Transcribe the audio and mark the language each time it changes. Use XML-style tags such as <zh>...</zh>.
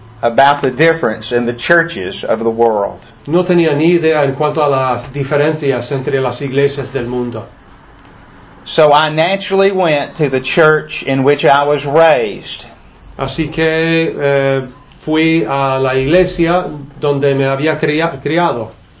<en>about the difference in the churches of the world.</en> <es>No tenía ni idea en cuanto a las diferencias entre las iglesias del mundo.</es> <en>So I naturally went to the church in which I was raised.</en> <es>Así que fui a la iglesia donde me había criado.</es>